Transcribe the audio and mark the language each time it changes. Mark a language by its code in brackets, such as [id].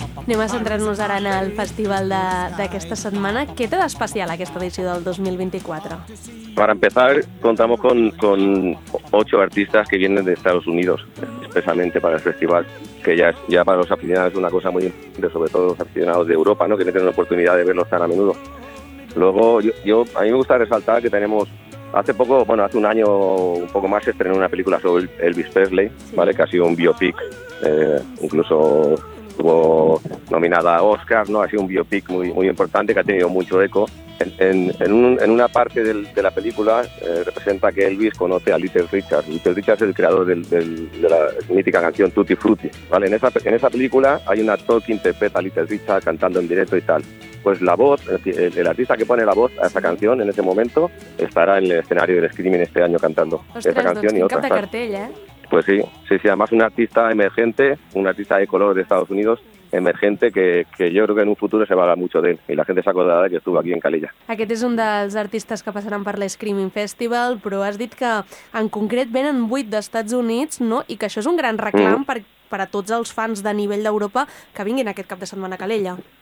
[ca] Anem a centrar-nos ara en el festival d'aquesta setmana. Què té d'especial aquesta edició del 2024? [es] Para empezar, contamos con 8 artistas que vienen de Estados Unidos, especialmente para el festival, que ya para los aficionados es una cosa muy importante, sobre todo los aficionados de Europa, ¿no?, que no tienen la oportunidad de verlos tan a menudo. Luego, a mí me gusta resaltar que tenemos... hace un año un poco más, se estrenó una película sobre Elvis Presley, ¿vale?, que ha sido un biopic, incluso... estuvo nominada a Oscar, ¿no? Ha sido un biopic muy, muy importante que ha tenido mucho eco. En una parte de la película representa que Elvis conoce a Little Richard. Little Richard es el creador de la mítica canción Tutti Frutti, ¿vale? En esa película hay un actor que interpreta a Little Richard cantando en directo y tal. Pues la voz, el artista que pone la voz a esa canción en ese momento estará en el escenario del Screaming este año cantando. [ca] Ostres, [es] esa canción [ca] doncs, [es] y otras. [ca] Cartell, ¿eh? [es] Pues sí, sí, sí. Además, un artista emergente, un artista de color de Estados Unidos, emergente, que yo creo que en un futuro se va a hablar mucho de él. Y la gente se acordará que estuvo aquí en Calella. [ca] Aquest és un dels artistes que passaran per l'Screaming Festival, però has dit que en concret venen 8 d'Estats Units, no? I que això és un gran reclam per a tots els fans de nivell d'Europa que vinguin aquest cap de setmana a Calella.